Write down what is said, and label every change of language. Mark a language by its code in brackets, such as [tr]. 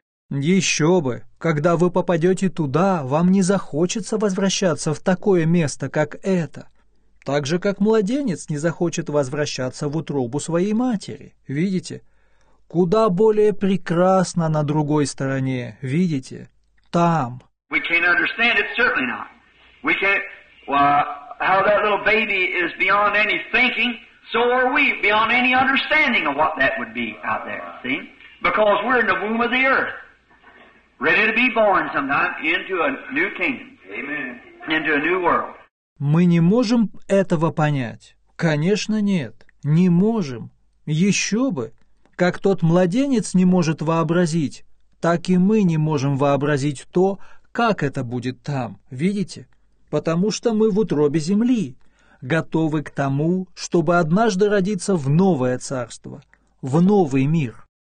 [ru] Еще бы! Когда вы попадете туда, вам не захочется возвращаться в такое место, как это. Так же, как младенец не захочет возвращаться в утробу своей матери. Видите? Куда более прекрасно на другой стороне, видите? Там. [en] We can't understand it, certainly not. We can't, how that little baby is beyond any thinking, so are we beyond any understanding of what that would be out there, see? Because we're in the womb of the earth, ready to be born sometime into a new kingdom. Amen. Into a new world. [ru] Мы не можем этого понять. Конечно, нет. Не можем. Еще бы. Как тот младенец не может вообразить, так и мы не можем вообразить то, как это будет там, видите? Потому что мы в утробе земли, готовы к тому, чтобы однажды родиться в новое царство, в новый мир.